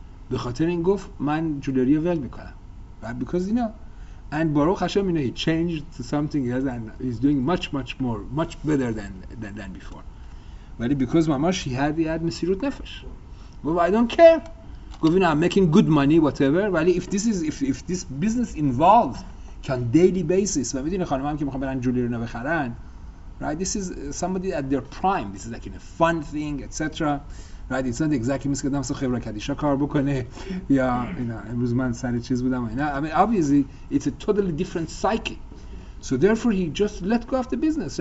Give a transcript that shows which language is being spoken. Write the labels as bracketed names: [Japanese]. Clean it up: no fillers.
[Persian] به خاطر این گفت من جولری رو ول میکنم. [English] Right? Because you know. And Baruch Hashem, you know, he changed to something else and he's doing much, much more, much better than before. But because mamash, he had mesirut nefesh. Well, I don't care. You know, I'm making good money, whatever. But if this business involves on daily basis, and you know, [Persian] خانم هم که میخوان برن جولری رو بخرن, [English] right? This is somebody at their prime. This is like in a fun thing, etc. Right? It's not exactly [Persian] مثل که دم سو خبر کدیشا کار بکنه یا امروز من سر چیز بودم. [English] I mean, obviously, it's a totally different psyche. So therefore, he just let go of the business.